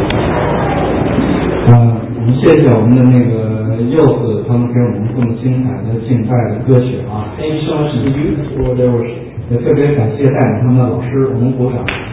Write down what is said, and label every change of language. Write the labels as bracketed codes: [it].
[zh] 们谢谢我们的那个柚子，他们给我们这么精彩的敬拜的歌曲啊。 [en] Thank you so much to you for the worship. [zh] 也特别感谢带领他们的老师，我们鼓掌。